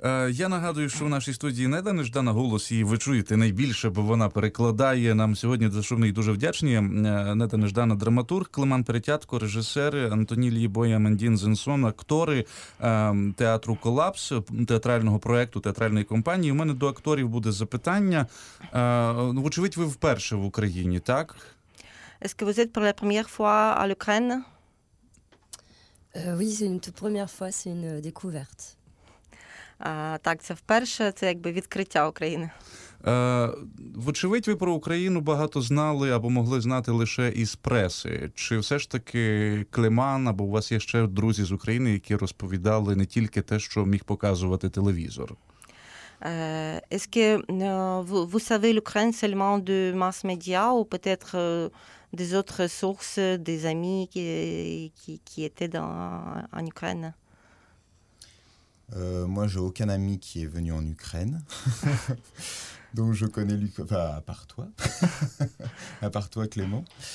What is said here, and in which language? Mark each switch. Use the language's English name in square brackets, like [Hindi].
[Ukrainian] Я нагадую, що в нашій студії Неда Неждана Голос, її ви чуєте найбільше, бо вона перекладає нам сьогодні, за що ми їй дуже вдячні. Неда Неждана – драматург, Климан Перетятко – режисери, Антоніль Єбой, Амандін Зенсон – актори театру «Колапс», театрального проєкту, театральної компанії. У мене до акторів буде запитання. Вочевидь, ви вперше в Україні, так? [French] Est-ce que vous êtes pour la première fois à l'Ukraine? Oui, c'est une toute première fois, c'est une découverte. [Ukrainian] Так, це вперше, це якби відкриття України. Вочевидь, ви про Україну багато знали або могли знати лише із преси. Чи все ж таки Кліман або у вас є ще друзі з України, які розповідали не тільки те, що міг показувати телевізор? [French] Est-ce que vous savez l'Ukraine seulement de mass media ou peut-être des autres sources, des amis qui étaient en Ukraine? Moi, j'ai aucun ami qui est venu en Ukraine. Donc, je connais lui, enfin, à part toi, à part toi, Clément.